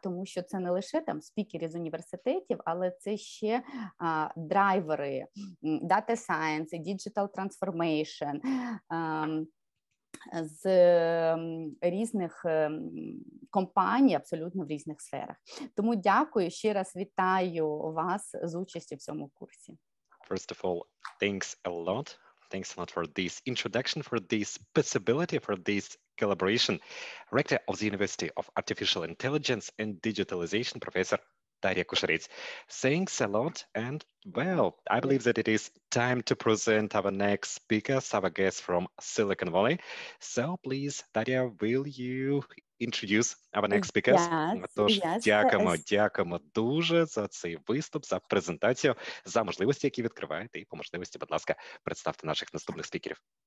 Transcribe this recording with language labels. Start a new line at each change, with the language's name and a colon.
Ukrainian: Тому що це не лише там спікери з університетів, але це ще драйвери Data Science, Digital Transformation з різних компаній, абсолютно в різних сферах. Тому дякую, ще раз вітаю вас з участю в цьому курсі.
English: First of all, thanks a lot. Thanks a lot for this introduction, for this possibility, for this collaboration. Rector of the University of Artificial Intelligence and Digitalization, Professor Дар'я Кушаріць. Thanks a lot. And well, I believe that it is time to present our next speaker, our guest from Silicon Valley. So please, Дар'я, will you introduce our next speaker? Yes,
Ukrainian: тож,
English: yes.
Ukrainian: Дякуємо, дякуємо дуже за цей виступ, за презентацію, за можливості, які відкриваєте, і по можливості, будь ласка, представте наших наступних спікерів.